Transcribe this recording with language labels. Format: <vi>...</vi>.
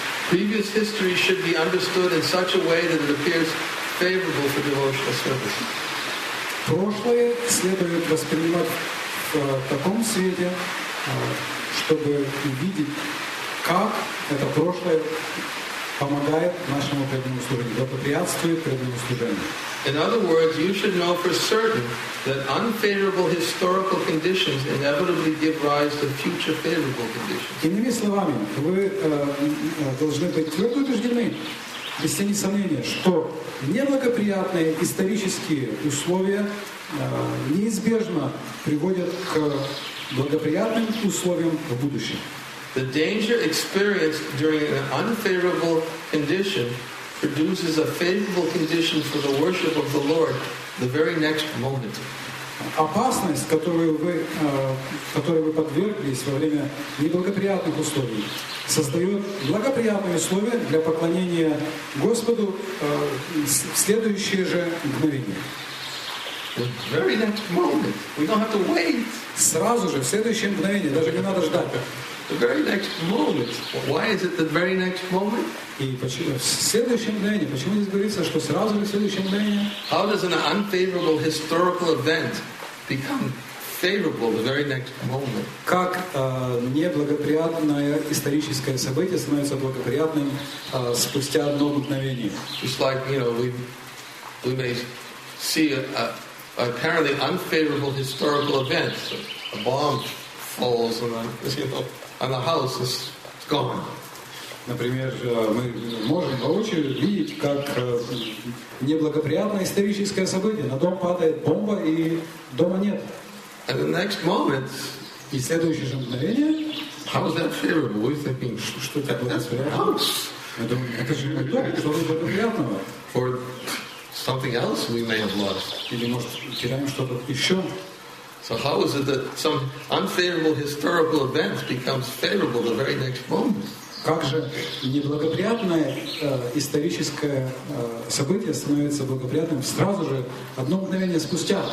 <en>Previous history should be understood in such a way that it appears favorable for devotional service.</en> <ru>Прошлое следует воспринимать в таком свете, чтобы увидеть, как это прошлое помогает нашему преданному служению, благоприятствует преданному служению.</ru> <en>In other words, you should know for certain that unfavorable historical conditions inevitably give rise to future favorable conditions.</en> <ru>Иными словами, вы должны быть твердо убеждены, без тени сомнения, что неблагоприятные исторические условия неизбежно приводят к благоприятным условиям в будущем.</ru> <en>The danger experienced during an unfavorable condition produces a favorable condition for the worship of the Lord the very next moment.</en> <ru>Опасность, которую вы подверглись во время неблагоприятных условий, создает благоприятные условия для поклонения Господу в следующее же мгновение.</ru> <en>The very next moment. We don't have to wait.</en> <ru>Сразу же, в следующее мгновение, даже не надо ждать.</ru> <en>The very next moment. Why is it the very next moment?</en> <ru>И почему в следующем дне? Почему здесь говорится, что сразу в следующем дне?</ru> <en>How does an unfavorable historical event become favorable the very next moment?</en> <ru>Как неблагоприятное историческое событие становится благоприятным спустя одно мгновение?</ru> <en>Just like, you know, we may see an apparently unfavorable historical event, so a bomb falls on the house, it's gone.</en> <ru>Например, мы можем воочию видеть, как неблагоприятное историческое событие. На дом падает бомба, и дома нет.</ru> <en>And the next moment,</en> <ru>и следующее же мгновение,</ru> <en>how is that favorable? We're thinking,</en> <ru>что это благоприятное?</ru> <en>That's my house.</en> <ru>Это же мой дом, что же благоприятного?</ru> <en>Or something else we may have lost.</en> <ru>Или, может, теряем что-то еще?</ru> <en>So how is it that some unfavorable historical event becomes favorable the very next moment?</en> <ru>Как же неблагоприятное историческое событие становится благоприятным сразу же, одно мгновение спустя?</ru>